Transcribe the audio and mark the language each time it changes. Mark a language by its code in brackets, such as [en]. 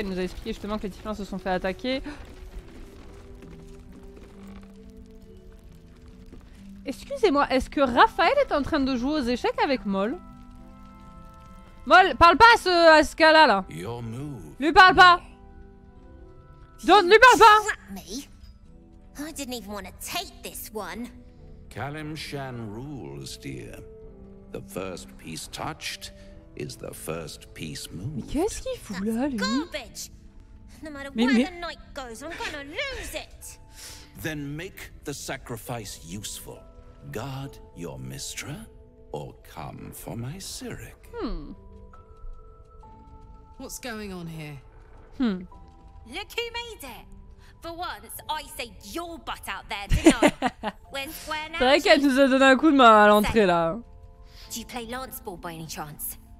[fr] Elle nous a expliqué justement que les Tiflins se sont fait attaquer. Excusez-moi, est-ce que Raphaël est en train de jouer aux échecs avec Moll ? Moll, parle pas à ce gars-là, là. Lui parle pas. Don't, lui parle pas. [en] I didn't even want to take this one. Kalimshan rules, dear. The first piece touched is the first piece moved. [fr] Qu'est-ce qu'il fout là, lui? [en] That's garbage. No matter where the knight goes, I'm gonna lose it. Then make the sacrifice useful. Guard your Mistra, or come for my Siric. What's going on here? Look who made it. For once, I saved your butt out there, didn't I? When square now. [fr] C'est vrai qu'elle nous a donné un coup de main à l'entrée là. [en] Do you play lance ball by any chance?